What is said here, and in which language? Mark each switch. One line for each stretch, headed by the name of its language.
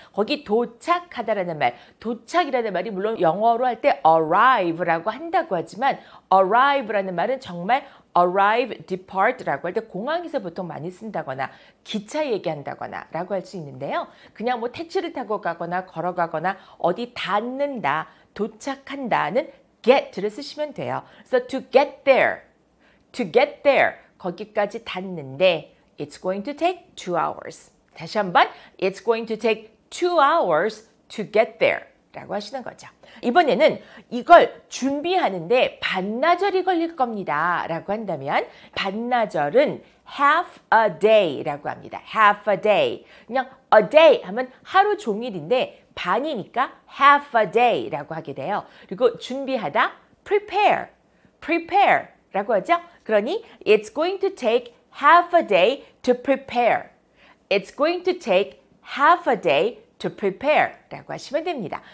Korean: 거기 도착하다라는 말, 도착이라는 말이 물론 영어로 할때 arrive라고 한다고 하지만 arrive라는 말은 정말 arrive, depart라고 할때 공항에서 보통 많이 쓴다거나 기차 얘기한다거나 라고 할수 있는데요. 그냥 뭐 택시를 타고 가거나 걸어가거나 어디 닿는다, 도착한다는 get를 쓰시면 돼요.
English: 그래서 to get there, to get there,
Korean: 거기까지 닿는데
English: it's going to take 2 hours.
Korean: 다시 한번,
English: it's going to take 2 hours to get there.
Korean: 라고 하시는 거죠. 이번에는 이걸 준비하는데 반나절이 걸릴 겁니다 라고 한다면 반나절은 half a day 라고 합니다.
English: half a day.
Korean: 그냥 a day 하면 하루 종일인데 반이니까 half a day 라고 하게 돼요. 그리고 준비하다 prepare, prepare 라고 하죠.
English: 그러니 it's going to take half a day to prepare. it's going to take half a day to prepare
Korean: 라고 하시면 됩니다.